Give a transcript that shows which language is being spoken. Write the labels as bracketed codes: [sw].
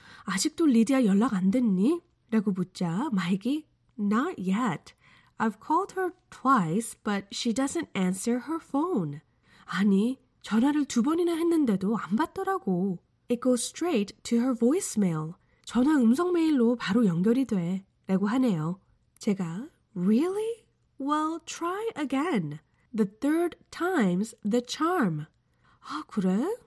[ko] 아직도 리디아 연락 안 됐니? 라고 묻자 마이크, [en] Not yet. I've called her twice, but she doesn't answer her phone. [ko] 아니, 전화를 두 번이나 했는데도 안 받더라고. [en] It goes straight to her voicemail. [ko] 전화 음성 메일로 바로 연결이 돼. 라고 하네요. 제가, [en] Really? Well, try again. The third time's the charm. [ko] 아, 그래?